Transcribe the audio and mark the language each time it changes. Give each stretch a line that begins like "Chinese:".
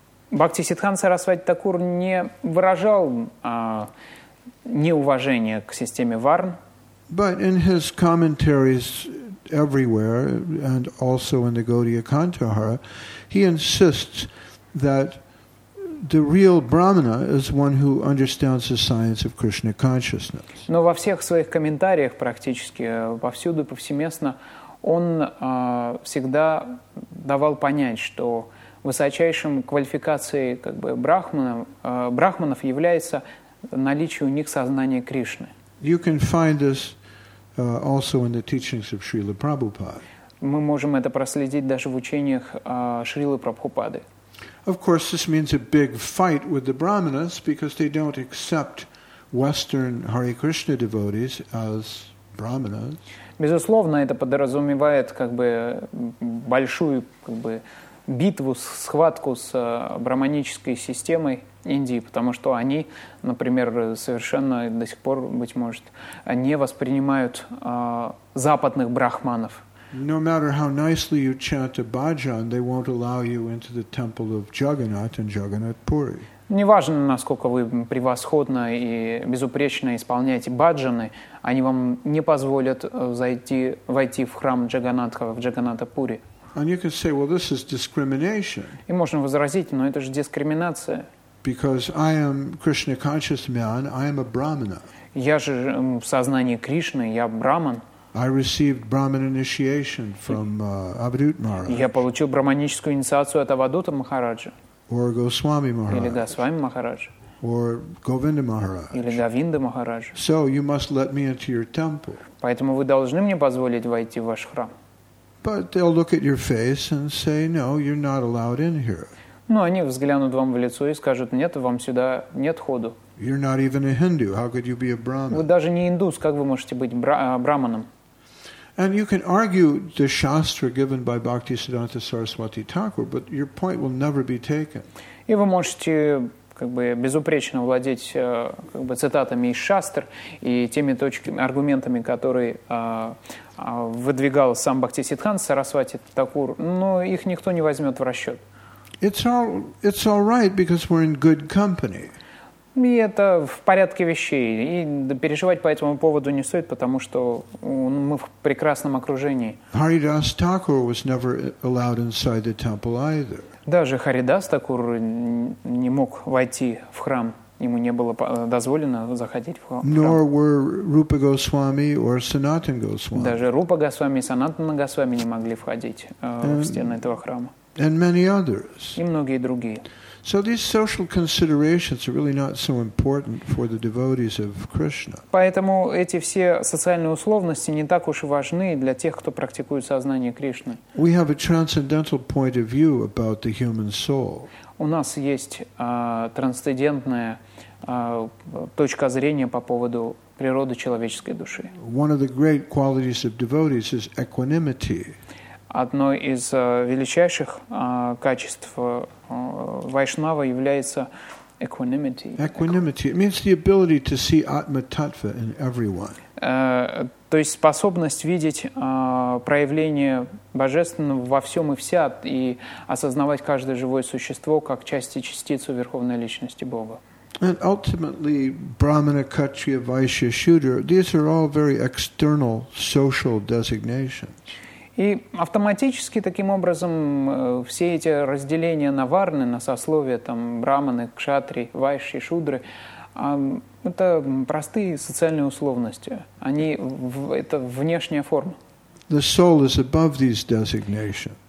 Russian: Бхактисиддханта Сарасвати Такур не выражал неуважение к системе Варн.
English: But in his commentaries everywhere, and also in the Gaudiya Kantahara, he insists that the real brahmana is one who understands the science of Krishna consciousness.
Russian: Но во всех своих комментариях практически повсюду повсеместно он всегда давал понять, что высочайшим квалификацией брахманов является наличие у них сознания Кришны.
English: You can find this also in the teachings of Srila Prabhupada.
Russian: Мы можем это проследить даже в учениях Шрилы Прабхупады.
English: Of course, this means a big fight with the Brahmanas because they don't accept Western Hare Krishna devotees as Brahmanas.
Russian: Безусловно, это подразумевает как бы большую как бы битву, схватку с брахманической системой Индии, потому что они, например, совершенно до сих пор, быть может, не воспринимают западных брахманов.
English: No matter how nicely you chant a bhajan, they won't allow you into the temple of Jagannath and Jagannath Puri.
Russian: Неважно, насколько вы превосходно и безупречно исполняете баджаны, они вам не позволят войти в храм Джаганатха в Джаганата Пури.
English: And you can say, well, this is discrimination.
Russian: И можно возразить, но это же дискриминация.
English: Because I am Krishna conscious man, I am a brahmana.
Russian: Я же в сознании Кришны, я брахман.
English: I received Brahman initiation from Avadhut Maharaj.
Russian: Я получил брахманическую инициацию от Авадута Махараджа.
English: Or Goswami Maharaj.
Russian: Или Госвами Махарадж.
English: Or Govinda Maharaj.
Russian: Или Говинда Махарадж.
English: So you must let me into your temple.
Russian: Поэтому вы должны мне позволить войти в ваш храм.
English: But they'll look at your face and say, "No, you're not allowed in here."
Russian: Ну, они взглянут вам в лицо и скажут: "Нет, вам сюда нет ходу."
English: You're not even a Hindu. How could you be a Brahmin?
Russian: Вы даже не индус, как вы можете быть брахманом?
English: And you can argue the shastra given by Bhaktisiddhanta Saraswati Thakur, but your point will never be taken.
Russian: И вы можете как бы безупречно владеть как бы цитатами из шастр и теми точками, аргументами, которые выдвигал сам Бхактисиддханта Сарасвати Такур, но их никто не возьмет в расчет.
English: It's all right because we're in good company.
Russian: И это в порядке вещей. И переживать по этому поводу не стоит, потому что мы в прекрасном окружении.
English: Haridas Thakur was never allowed inside the temple either.
Russian: Даже Харидас Такур не мог войти в храм. Ему не было дозволено заходить в храм.
English: Nor were Rupa Goswami or Sanatan Goswami.
Russian: Даже Рупа Госвами и Санатана Госвами не могли входить в стены этого храма.
English: And many others.
Russian: И многие другие.
English: So these social considerations are really not so important for the devotees of Krishna.
Russian: Поэтому эти все социальные условности не так уж важны для тех, кто практикует сознание Кришны.
English: We have a transcendental point of view about the human soul.
Russian: У нас есть трансцендентная точка зрения по поводу природы человеческой души.
English: One of the great qualities of devotees is equanimity.
Russian: Одной из величайших качеств вайшнава является equanimity.
English: Equanimity. It means the ability to see atma-tattva in everyone.
Russian: То есть способность видеть проявление божественного во всем и вся и осознавать каждое живое существо как часть и частицу Верховной Личности Бога.
English: And ultimately, Brahmana, Kshatriya, Vaishya, Shudra, these are all very external social designations.
Russian: И автоматически, таким образом, все эти разделения на варны, на сословия, там, брахманы, кшатри, вайши, шудры, это простые социальные условности. Они, это внешняя форма.
English: The soul is above these designations.